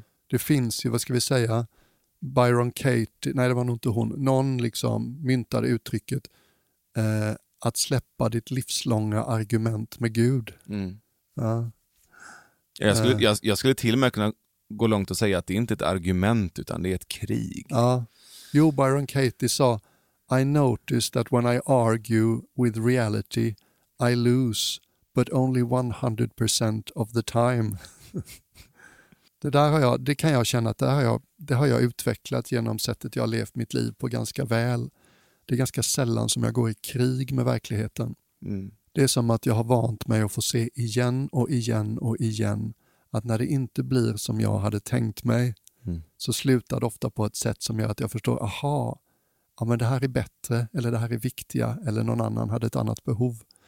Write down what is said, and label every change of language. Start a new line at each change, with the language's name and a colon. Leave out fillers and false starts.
Swedish: Det finns ju, vad ska vi säga, Byron Katie, nej det var nog inte hon, någon liksom myntade uttrycket att släppa ditt livslånga argument med Gud. Ja. Jag skulle till och med kunna gå långt och säga att det inte är ett argument, utan det är ett krig. Ja. Jo, Byron Katie sa,
English: I noticed that when I argue with reality I lose, but only 100% of the time.
Swedish: Det där har jag, det kan jag känna att det har jag utvecklat genom sättet jag har levt mitt liv på ganska väl. Det är ganska sällan som jag går i krig med verkligheten. Det är som att jag har vant mig att få se igen och igen och igen att när det inte blir som jag hade tänkt mig, så slutar det ofta på ett sätt som gör att jag förstår, aha, ja, men det här är bättre, eller det här är viktiga, eller någon annan hade ett annat behov.